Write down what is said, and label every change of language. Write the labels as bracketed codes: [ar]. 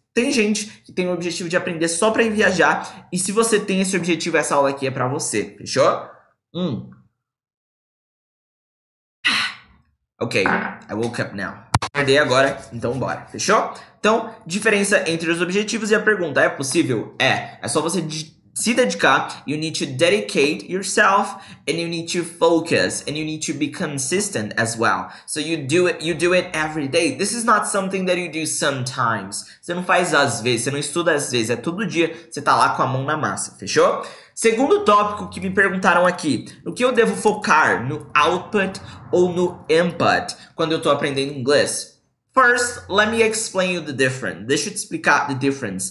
[pt] Tem gente que tem o objetivo de aprender só pra ir viajar. E se você tem esse objetivo, essa aula aqui é pra você, fechou? [en] Ok, I woke up now. [pt] Acordei agora, então bora, fechou? Então, diferença entre os objetivos e a pergunta, é possível? É só você Se dedicar, [en] you need to dedicate yourself and you need to focus and you need to be consistent as well. So you do it every day. This is not something that you do sometimes. [pt] Você não faz às vezes, você não estuda às vezes, é todo dia, você tá lá com a mão na massa, fechou? Segundo tópico que me perguntaram aqui, no que eu devo focar? No output ou no input quando eu tô aprendendo inglês? [en] First, let me explain you the difference. [pt] Deixa eu te explicar [en] the difference.